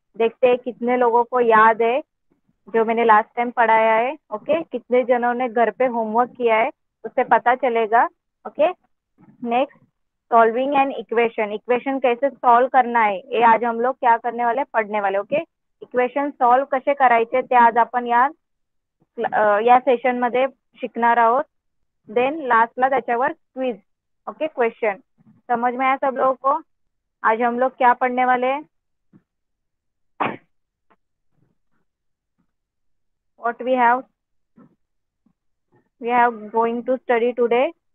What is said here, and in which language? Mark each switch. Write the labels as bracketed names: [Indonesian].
[Hindi] देखते हैं कितने लोगों को याद है जो मैंने लास्ट टाइम पढ़ाया है. ओके कितने जनों ने घर पे होमवर्क किया है उससे पता चलेगा. Okay [English] next solving an equation, [Hindi] equation कैसे सॉल्व करना है ये आज हम लोग क्या करने वाले पढ़ने वाले. [Marathi] ओके इक्वेशन सॉल्व कसे करायचे ते आज अपन या सेशन मध्ये शिकणार आहोत. देन लास्टला त्याच्यावर क्विज. [Hindi] ओके क्वेश्चन समझ में आया सब लोगों को? आज हम लोग क्या पढ़ने वाले हैं? [English] What we have going to study today.